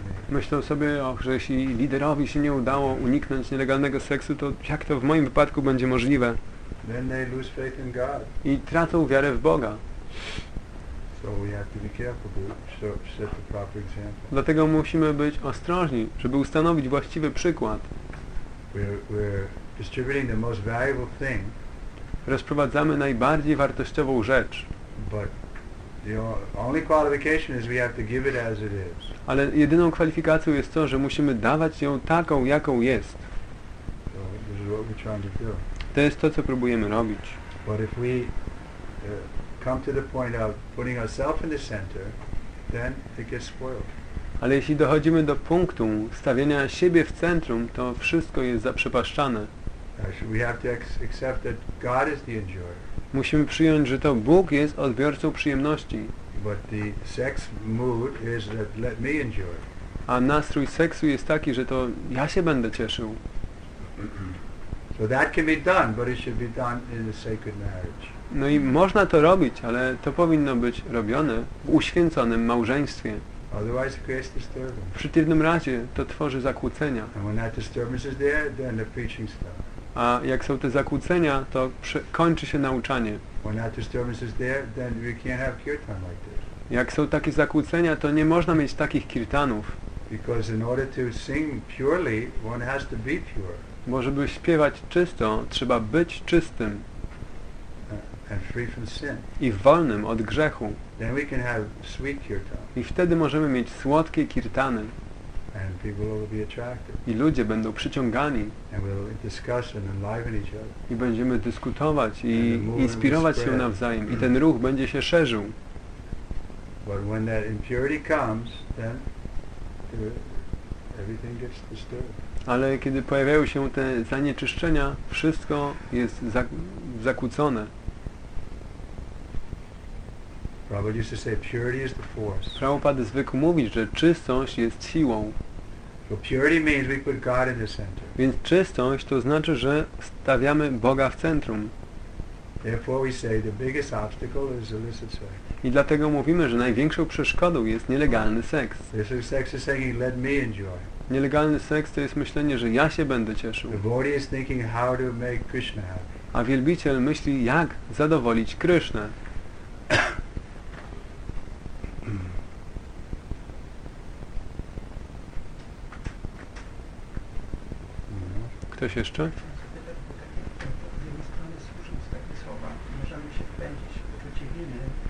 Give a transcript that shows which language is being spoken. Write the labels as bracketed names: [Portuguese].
[Polish] Myślą sobie, że jeśli liderowi się nie udało uniknąć nielegalnego seksu, to jak to w moim wypadku będzie możliwe? [English] Then they lose faith in God. [Polish] I tracą wiarę w Boga. [English] So we have to be careful to set the proper example. [Polish] Dlatego musimy być ostrożni, żeby ustanowić właściwy przykład. [English] We're distributing the most valuable thing. [Polish] Rozprowadzamy najbardziej wartościową rzecz. [English] But the only qualification is we have to give it as it is. [Polish] Ale jedyną kwalifikacją jest to, że musimy dawać ją taką, jaką jest. [English] So this is what we're trying to do. [Polish] To jest to, co próbujemy robić. [English] But if we come to the point of putting ourselves in the center, then it gets spoiled. [Polish] Ale jeśli dochodzimy do punktu stawienia siebie w centrum, to wszystko jest zaprzepaszczane. [English] We have to accept that God is the enjoyer. [Polish] Musimy przyjąć, że to Bóg jest odbiorcą przyjemności. [English] But the sex mood is that let me enjoy. [Polish] A nastrój seksu jest taki, że to ja się będę cieszył. [English] So that can be done, but it should be done in a sacred marriage. [Polish] No i można to robić, ale to powinno być robione w uświęconym małżeństwie. [English] Otherwise, it creates disturbance. [Polish] W przeciwnym razie to tworzy zakłócenia. [English] And when that disturbance is there, then the preaching stops. [Polish] A jak są te zakłócenia, to kończy się nauczanie. [English] When that disturbance is there, then we can't have kirtan like this. [Polish] Jak są takie zakłócenia, to nie można mieć takich kirtanów. [English] Because in order to sing purely, one has to be pure. [Polish] Bo żeby śpiewać czysto, trzeba być czystym. [English] And free from sin. [Polish] I wolnym od grzechu. [English] Then we can have sweet kirtan. [Polish] I wtedy możemy mieć słodkie kirtany. [English] And people will be attracted. [Polish] I ludzie będą przyciągani. [English] And we'll discuss and enliven each other. [Polish] I będziemy dyskutować i inspirować się nawzajem. I ten ruch będzie się szerzył. [English] But when that impurity comes, then everything gets disturbed. [Polish] Ale kiedy pojawiają się te zanieczyszczenia, wszystko jest zakłócone. [English] Prabhupada used to say purity is the force. [Polish] Prabhupada zwykł mówić, że czystość jest siłą. [English] So purity means we put God in the center. [Polish] Więc czystość to znaczy, że stawiamy Boga w centrum. [English] Therefore we say the biggest obstacle is illicit sex. [Polish] I dlatego mówimy, że największą przeszkodą jest nielegalny seks. [English] Illicit sex is saying, let me enjoy. [Polish] Nielegalny seks to jest myślenie, że ja się będę cieszył. [English] The body is thinking how to make Krishna happy. [Polish] A wielbiciel myśli, jak zadowolić Krysznę. Ktoś jeszcze? Z jednej strony słysząc takie słowa, możemy się wpędzić w poczucie winy.